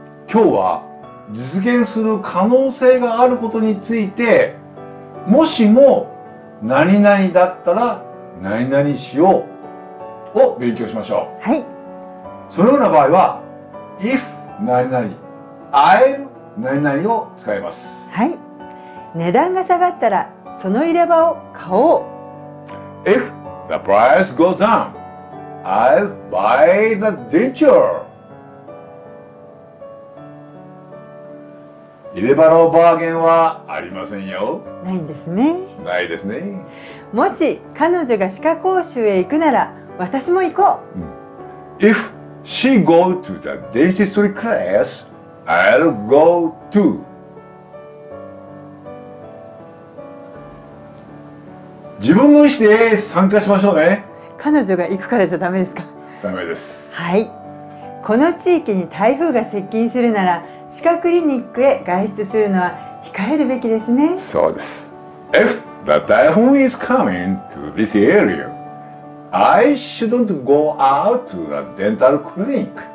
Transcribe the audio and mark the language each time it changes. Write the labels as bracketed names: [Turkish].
[Japanese] 今日は実現する可能性があることについて、もしも何々だったら何々しようを勉強しましょう。はい。そのような場合は If 何々、I'll 何々を使います。はい。値段が下がったらその入れ歯を買おう。 [English] If the price goes down, I'll buy the denture。 [Japanese] 入れ歯のバーゲンはありませんよ。ないんですね。ないですね。もし彼女が歯科講習へ行くなら私も行こう。 [English] If she go to the dentistry class, I'll go too。 [Japanese] 自分の意思で参加しましょうね。彼女が行くからじゃダメですか？ダメです。はい。この地域に台風が接近するなら歯科クリニックへ外出するのは控えるべきですね。そうです。 [English] If the typhoon is coming to this area, I shouldn't go out to the dental clinic。